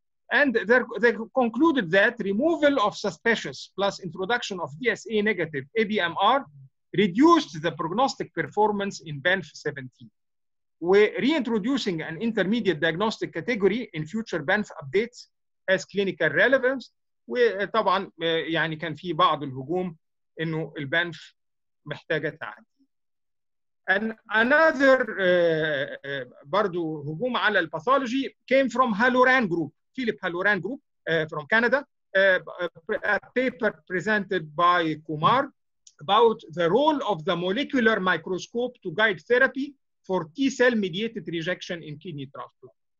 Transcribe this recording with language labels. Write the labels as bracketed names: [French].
[English] And they concluded that removal of suspicious plus introduction of DSA negative ABMR reduced the prognostic performance in BANF 17. We're reintroducing an intermediate diagnostic category in future BANF updates as clinical relevance. [Arabic] وطبعا يعني كان في بعض الهجوم انه البنف محتاجه تعديل. [English] And another, [Arabic] برضو هجوم على الباثولوجي [English] came from Halloran group, Philip Halloran group from Canada, a paper presented by Kumar about the role of the molecular microscope to guide therapy for T-cell mediated rejection in kidney transplant.